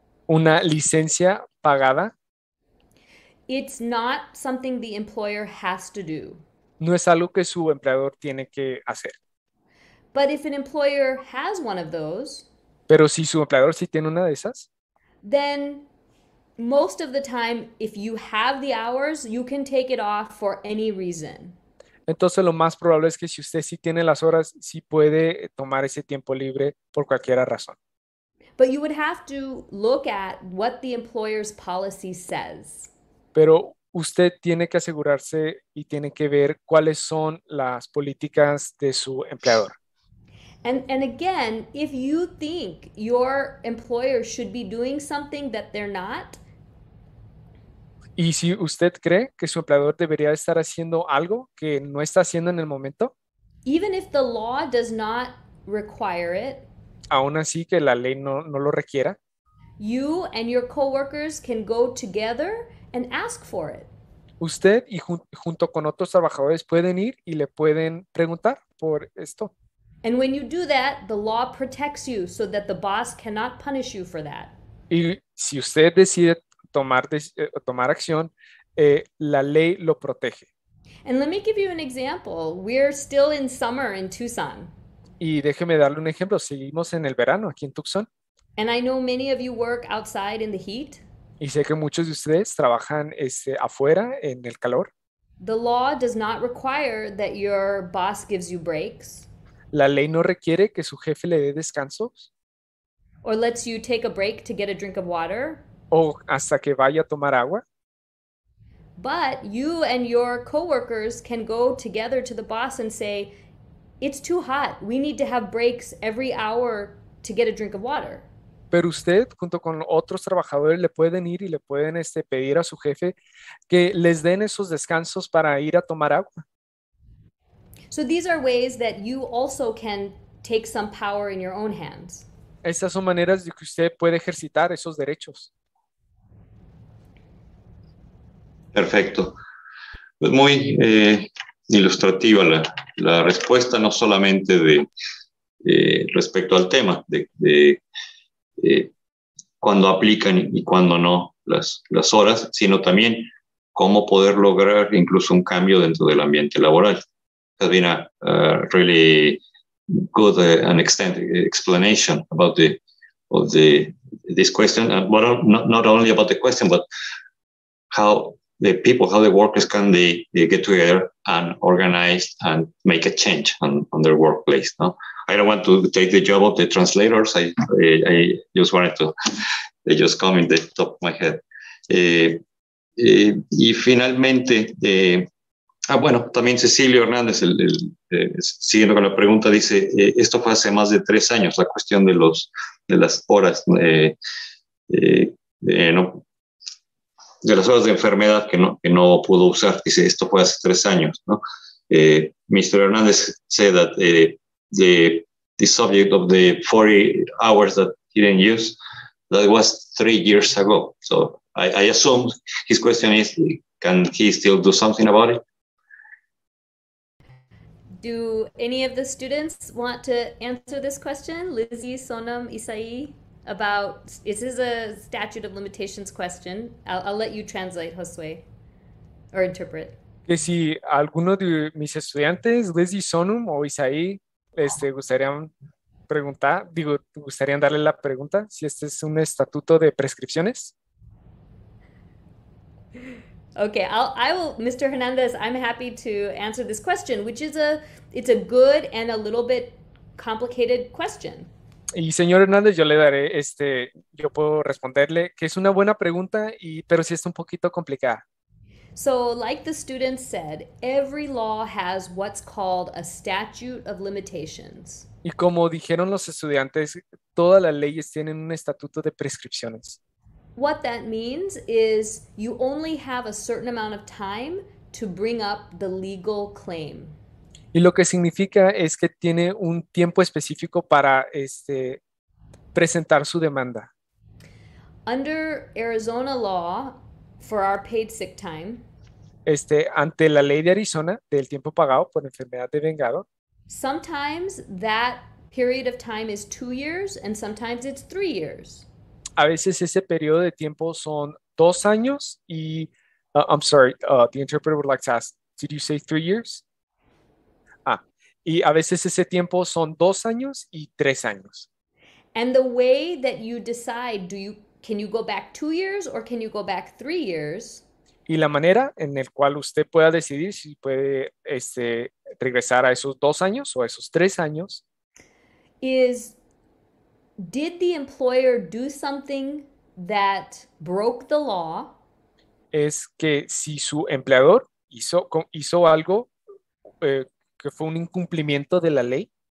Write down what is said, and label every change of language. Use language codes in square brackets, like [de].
[es] Una licencia pagada. [en] It's not something the employer has to do. [es] No es algo que su empleador tiene que hacer. [en] But if an employer has one of those. [es] Pero si su empleador sí tiene una de esas. [en] Then most of the time, if you have the hours, you can take it off for any reason. [es] Entonces lo más probable es que si usted sí tiene las horas, sí puede tomar ese tiempo libre por cualquier razón. [en] But you would have to look at what the employer's policy says. [es] Pero usted tiene que asegurarse y tiene que ver cuáles son las políticas de su empleador. [en] And again, if you think your employer should be doing something that they're not. [es] Y si usted cree que su empleador debería estar haciendo algo que no está haciendo en el momento. [en] Even if the law does not require it. [es] Aún así que la ley no lo requiera. [en] You and your coworkers can go together and ask for it. [es] Usted y junto con otros trabajadores pueden ir y le pueden preguntar por esto. [en] And when you do that, the law protects you so that the boss cannot punish you for that. [es] Y si usted decide tomar acción, la ley lo protege. [en] And let me give you an example. We're still in summer in Tucson. [es] Y déjeme darle un ejemplo. Seguimos en el verano aquí en Tucson. [en] And I know many of you work outside in the heat. [es] Y sé que muchos de ustedes trabajan afuera en el calor. [en] The law does not require that your boss gives you breaks. [es] La ley no requiere que su jefe le dé descansos. [en] Or lets you take a break to get a drink of water. [es] O hasta que vaya a tomar agua. [en] But you and your coworkers can go together to the boss and say, it's too hot. We need to have breaks every hour to get a drink of water. [es] Pero usted, junto con otros trabajadores, le pueden ir y le pueden pedir a su jefe que les den esos descansos para ir a tomar agua. [en] So these are ways that you also can take some power in your own hands. [es] Estas son maneras de que usted puede ejercitar esos derechos. Perfecto. Pues muy ilustrativa la respuesta, no solamente de respecto al tema de cuándo aplican y cuándo no las horas, sino también cómo poder lograr incluso un cambio dentro del ambiente laboral. [en] Has been a really good and extended explanation about this question, and what not only about the question, but how the people, how the workers can they get together and organize and make a change on their workplace. No, I don't want to take the job of the translators. I just wanted to. They just come in the top of my head. [es] Y finalmente. Bueno, también Cecilio Hernández, siguiendo con la pregunta, dice, esto fue hace más de 3 años, la cuestión de las horas, no, de las horas de enfermedad que no pudo usar. Dice, esto fue hace 3 años, ¿no? Mr. [en] Hernández said that the subject of the 40 hours that he didn't use, that was 3 years ago. So I assume his question is, can he still do something about it? Do any of the students want to answer this question, Lizzie, Sonam, Isai, about, this is a statute of limitations question. I'll let you translate, Josue, or interpret. [es] que si alguno de mis estudiantes, Leslie Sonum o Isaí, gustarían darle la pregunta si este es un estatuto de prescripciones. [en] Okay, Mr. Hernandez, I'm happy to answer this question, which is it's a good and a little bit complicated question. [es] Y señor Hernández, yo le daré yo puedo responderle que es una buena pregunta pero sí es un poquito complicada. [en] So, like the student said, every law has what's called a statute of limitations. [es] Y como dijeron los estudiantes, todas las leyes tienen un estatuto de prescripciones. [en] What that means is you only have a certain amount of time to bring up the legal claim. [es] Y lo que significa es que tiene un tiempo específico para presentar su demanda. [en] Under Arizona law, for our paid sick time, [es] ante la ley de Arizona del tiempo pagado por enfermedad de vengado, [en] sometimes that period of time is 2 years and sometimes it's 3 years. [es] A veces ese periodo de tiempo son 2 años [en] the interpreter would like to ask, did you say 3 years? [es] Y a veces ese tiempo son 2 años y 3 años. [en] And the way that you decide, can you go back 2 years or can you go back 3 years? [es] Y la manera en la cual usted pueda decidir si puede regresar a esos 2 años o a esos 3 años. [en] Is, did the employer do something that broke the law? [es] Es que si su empleador hizo algo que fue un incumplimiento de la ley.